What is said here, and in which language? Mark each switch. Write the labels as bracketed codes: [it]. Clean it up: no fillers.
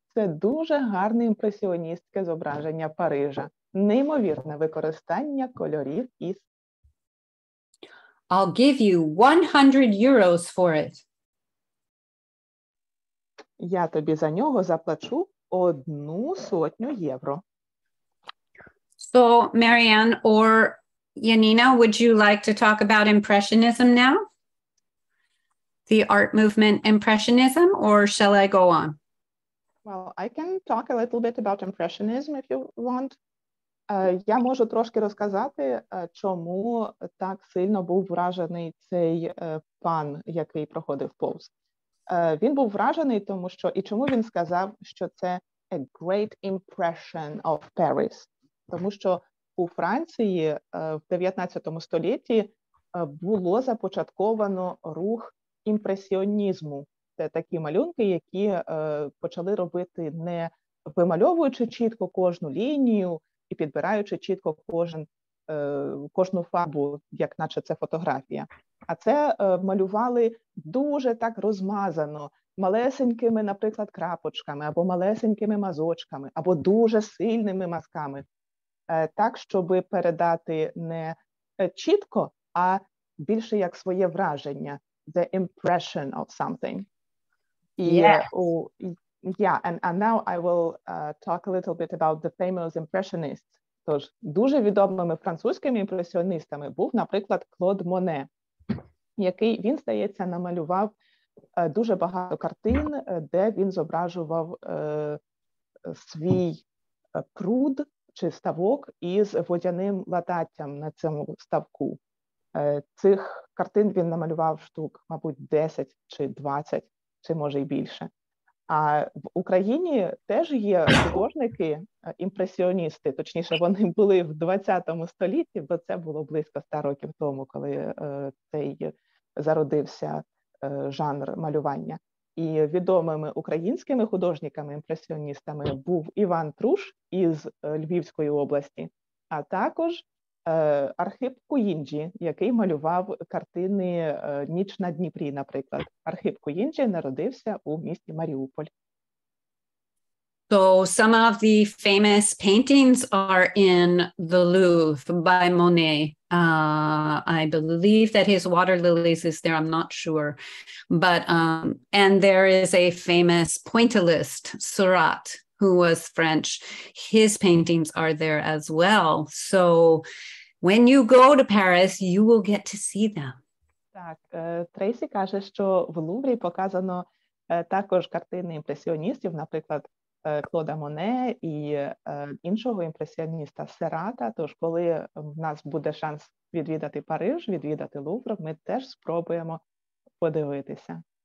[uk] Це дуже гарне імпресіоністське зображення Парижа. Неймовірне використання кольорів із... [en] I'll give you 100 euros for it. [uk] Я тобі за нього заплачу 100 євро. [en] So, Marianne or Janina, would you like to talk about impressionism now? The art movement impressionism, or shall I go on? Well, I can talk a little bit about impressionism if you want. [uk] Я можу трошки розказати, чому так сильно був вражений цей пан, який проходив повз. Він був вражений тому що і чому він сказав, що це [en] a great impression of Paris, [uk] тому що у Франції в 19 столітті було започатковано рух імпресіонізму. Це такі малюнки, які почали робити не вимальовуючи чітко кожну лінію і підбираючи чітко кожен кожну фарбу, як наче це фотографія. А це малювали дуже так розмазано, малесенькими, наприклад, крапочками, або малесенькими мазочками, або дуже сильними мазками. Так, щоб передати не чітко, а більше як своє враження. [en] The impression of something. And now I will talk a little bit about the famous impressionists. [uk] Тож, дуже відомими французькими імпресіоністами був, наприклад, Клод Моне, який, він, здається, намалював дуже багато картин, де він зображував свій пруд чи ставок із водяним лататтям на цьому ставку. Цих картин він намалював штук, мабуть, 10 чи 20, чи може й більше. А в Україні теж є художники, імпресіоністи, точніше, вони були в 20 столітті, бо це було близько 100 років тому, коли цей зародився жанр малювання. І відомими українськими художниками-імпресіоністами був Іван Труш із Львівської області, а також Архип Куїнджі, який малював картини «Ніч на Дніпрі», наприклад. Архип Куїнджі народився у місті Маріуполь. [en] So some of the famous paintings are in the Louvre by Monet. I believe that his water lilies is there, I'm not sure. But and there is a famous pointillist, Seurat, who was French. His paintings are there as well. So when you go to Paris, you will get to see them. [uk] Так, Трейсі каже, що в Луврі показано також картини імпресіоністів, наприклад, Клода Моне і іншого імпресіоніста Серата. Тож, коли в нас буде шанс відвідати Париж, відвідати Лувр, ми теж спробуємо подивитися.